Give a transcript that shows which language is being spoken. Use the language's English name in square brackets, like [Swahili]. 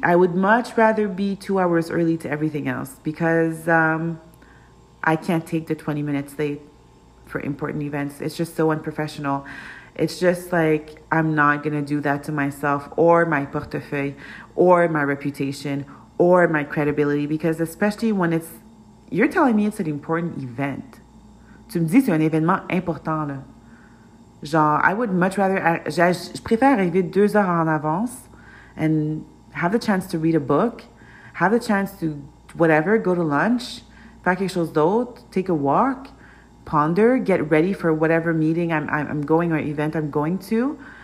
[English] I would much rather be 2 hours early to everything else because I can't take the 20 minutes late for important events. It's just so unprofessional. It's just like, I'm not going to do that to myself or my portefeuille or my reputation or my credibility, because especially when it's, you're telling me it's an important event. [French] Tu me dis c'est un événement important, là. Genre, [English] I would much rather, [French] je préfère arriver 2 heures en avance [English] and have the chance to read a book, have the chance to whatever, go to lunch, [French] faire quelque chose d'autre, [English] take a walk, ponder, get ready for whatever meeting I'm going or event I'm going to,